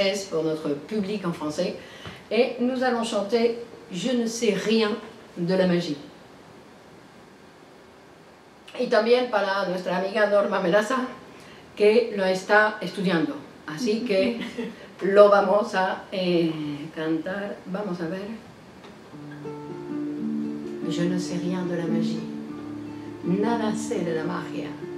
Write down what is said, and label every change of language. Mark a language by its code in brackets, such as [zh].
[fr] Pour notre public en français, et nous allons chanter Je ne sais rien de la magie. [es] Y también para nuestra amiga Norma Menaza, que lo está estudiando. Así que lo vamos a cantar. Vamos a ver. [fr] Je ne sais rien de la magie. [es] Nada sé de la magia.